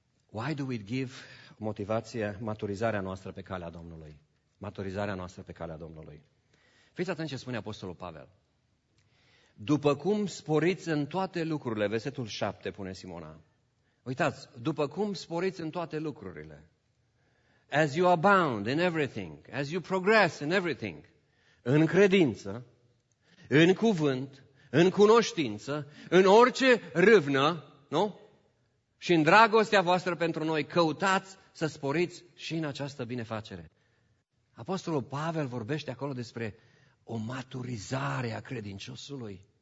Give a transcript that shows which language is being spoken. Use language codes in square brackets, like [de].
[en] Why do we give [ro] motivație, maturizarea noastră pe calea Domnului? Maturizarea noastră pe calea Domnului. Fiți atenți ce spune apostolul Pavel. După cum sporiți în toate lucrurile, versetul 7, pune Simona. Uitați, după cum sporiți în toate lucrurile. [en] As you abound in everything, as you progress in everything. [ro] În credință, în cuvânt, în cunoștință, în orice râvnă, nu? Și în dragostea voastră pentru noi, căutați să sporiți și în această binefacere. Apostolul Pavel vorbește acolo despre o maturizare a credinciosului.